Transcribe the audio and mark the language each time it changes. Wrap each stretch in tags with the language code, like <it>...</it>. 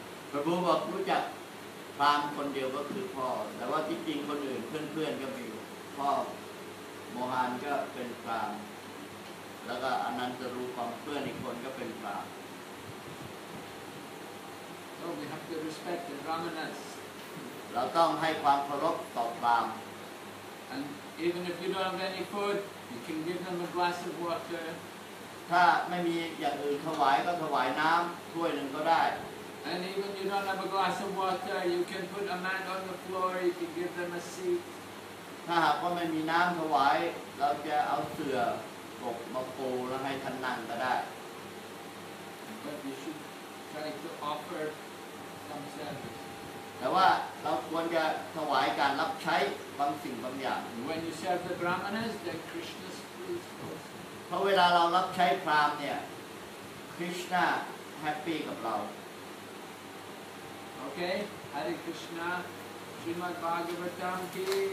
<th>พระบูบอกรู้จักพรามคนเดียวก็คือพ่อแต่ว่าที่จริงคนอื่นเพื่อนๆก็มีพ่อโมฮันก็เป็นพรามแล้วก็อนันตรูปของเพื่อนอีกคนก็เป็นพราม</th> <en>So we have to respect the Brahmanas</en> <th>เราต้องให้ความเคารพต่อพราม</th> <en>And even if you don't have any food you can give them a glass of water</en> <th>ถ้าไม่มีอย่างอื่นถวายก็ถวายน้ำถ้วยหนึ่งก็ได้</th> <en>And even you don't have a glass of water, you can put a mat on the floor, you can give them a seat.</en> <th>ถ้าหากว่าไม่มีน้ำถวายเราจะเอาเสื่อปกมาปูแล้วให้ท่านนั่งก็ได้</th> <en>But you should try to offer some service.</en> <th>แต่ว่าเราควรจะถวายการรับใช้บางสิ่งบางอย่าง</th> <en>When you serve the Brahmanas, then Krishna's pleased.</en> <th>เพราะเวลาเรารับใช้พราหมณ์เนี่ยคริสต์น่าแฮปปี้กับเรา</th> <en>โอเคฮริคริสต์น่าชิมัดบาเกวตัมกี</en>